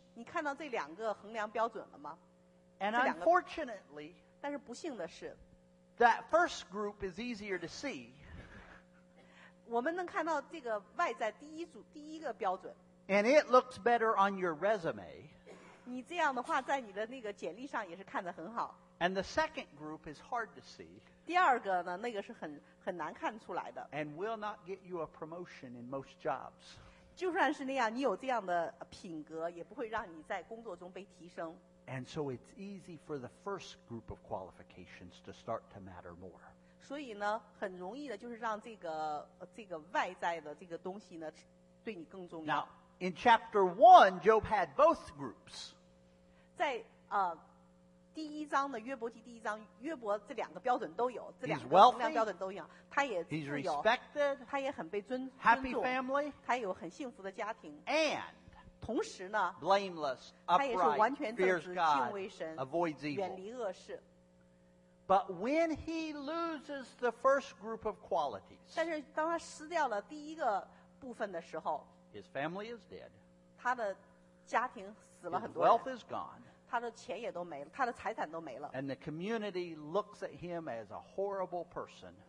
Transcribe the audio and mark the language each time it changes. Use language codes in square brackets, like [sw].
[zh] 你看到这两个衡量标准了吗 [en] And unfortunately, [zh] 但是不幸的是 [en] that first group is easier to see. [zh] 我们能看到这个外在第一组第一个标准 [en] And it looks better on your resume. [zh] 你这样的话在你的那个简历上也是看得很好 [en] And the second group is hard to see. [zh] 第二个呢那个是很难看出来的 [en] And will not get you a promotion in most jobs. [zh] 就算是那样你有这样的品格也不会让你在工作中被提升 [en] And so it's easy for the first group of qualifications to start to matter more [zh] 所以呢很容易的就是让这个外在的这个东西呢对你更重要 [en] Now in chapter 1 Job had both groups [zh] 在第一章的约伯记第一章约伯这两个标准都有这两个衡量标准都有他也自由 [en] He's respected, [zh] 他也很被尊重 [en] Happy family, [zh] 他有很幸福的家庭 [en] And [zh] 同时呢 [en] Blameless, upright, fears God, [zh] 敬畏神 [en] avoids evil [zh] 远离恶事 [en] But when he loses the first group of qualities [zh] 但是当他失掉了第一个部分的时候 [en] His family is dead [zh] 他的家庭死了很多 [en] His wealth is gone [zh] 他的钱也都没了，他的财产都没了。 [en] And the community looks at him as a horrible person.